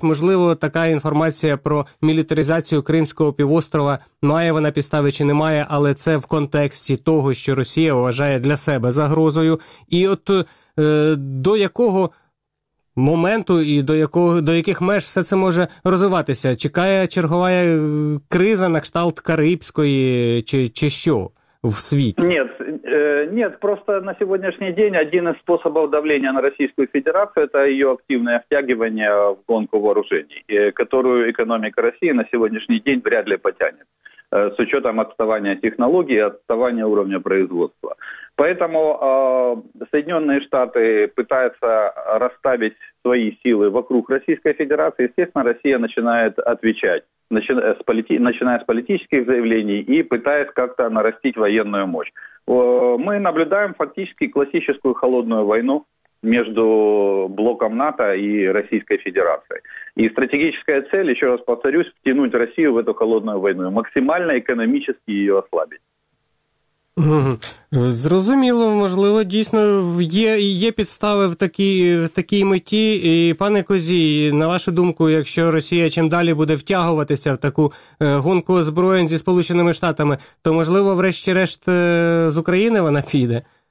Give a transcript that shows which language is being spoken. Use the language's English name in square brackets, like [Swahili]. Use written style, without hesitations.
[Ukrainian] Можливо, така інформація про мілітаризацію Кримського півострова має вона підстави чи не має, але це в контексті того, що Росія вважає для себе загрозою. І от до якого моменту і до яких меж все це може розвиватися? Чекає чергова криза на кшталт Карибської чи що в світі? [Russian] Нет, просто на сегодняшний день один из способов давления на Российскую Федерацию – это ее активное втягивание в гонку вооружений, которую экономика России на сегодняшний день вряд ли потянет, с учетом отставания технологий и отставания уровня производства. Поэтому Соединенные Штаты пытаются расставить свои силы вокруг Российской Федерации, естественно, Россия начинает отвечать. Начиная с политических заявлений и пытаясь как-то нарастить военную мощь. Мы наблюдаем фактически классическую холодную войну между блоком НАТО и Российской Федерацией. И стратегическая цель, еще раз повторюсь, втянуть Россию в эту холодную войну, максимально экономически ее ослабить. [Ukrainian] Зрозуміло, можливо, дійсно є підстави в такій меті. І, пане Козій, на вашу думку, якщо Росія чим далі буде втягуватися в таку гонку озброєнь зі Сполученими Штатами, то, можливо, врешті-решт з України вона піде?